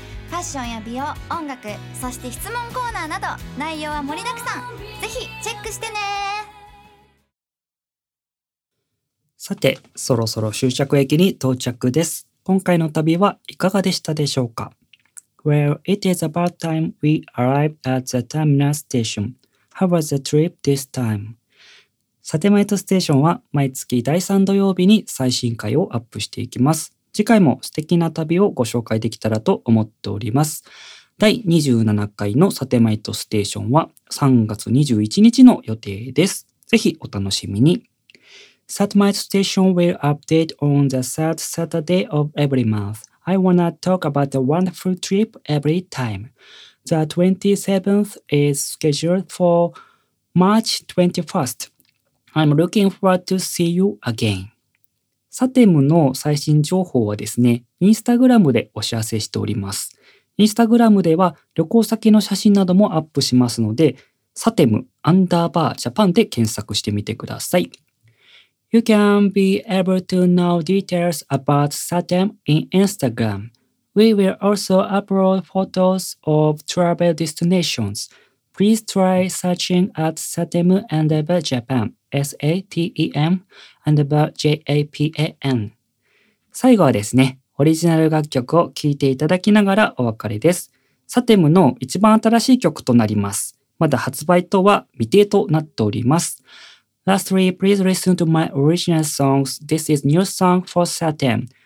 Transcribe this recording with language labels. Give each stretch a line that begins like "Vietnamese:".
Japanese: ファッションや美容、音楽、そして質問コーナーなど内容は盛りだくさん、ぜひチェックしてね。さて、そろそろ終着駅に到着です。今回の旅はいかがでしたでしょうか。
English: Well, it is about time we arrived at the terminal station. How was the trip this time?
Japanese: サテマイトステーションは毎月第3土曜日に最新回をアップしていきます。次回も素敵な旅をご紹介できたらと思っております。第27回のサテマイトステーションは3月21日の予定です。ぜひお楽しみに。
English: サテマイトステーション will update on the third Saturday of every month. I wanna talk about the wonderful trip every time. The 27th is scheduled for March 21stI'm looking forward to see you again.
Japanese: サテムの最新情報はですね、インスタグラムでお知らせしております。インスタグラムでは旅行先の写真などもアップしますので、サテムアンダーバージャパンで検索してみてください。
English: You can be able to know details about Satem in Instagram. We will also upload photos of travel destinations. Please try searching at Satem and Ever Japan. S-A-T-E-M and about J-A-P-A-N。
Japanese: 最後はですね、オリジナル楽曲を聴いていただきながらお別れです。サテムの一番新しい曲となります。まだ発売とは未定となっております。
English: Lastly, please listen to my original songs. This is new song for Satem.